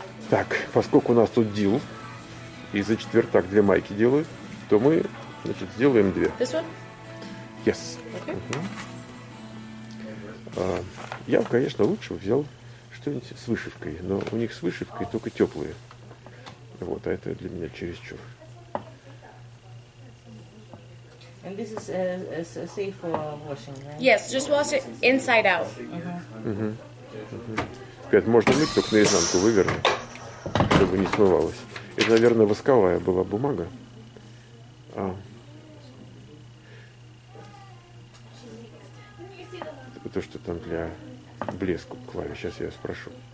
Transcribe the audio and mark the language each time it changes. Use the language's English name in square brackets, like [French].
[Russian] Так, поскольку у нас тут deal, и за четвертак две майки делают, то мы, значит, сделаем две. [English] This one? Yes. Okay. [Russian] Я, конечно, лучше взял что-нибудь с вышивкой, но у них с вышивкой только теплые. Вот, а это для меня чересчур. [English] And this is safe for washing, right? Yes, just wash it inside out. [Russian] Пять, можно мыть только наизнанку, выверни, чтобы не смывалось. Это, наверное, восковая была бумага. А. То, что там для блеску клави. Сейчас я спрошу.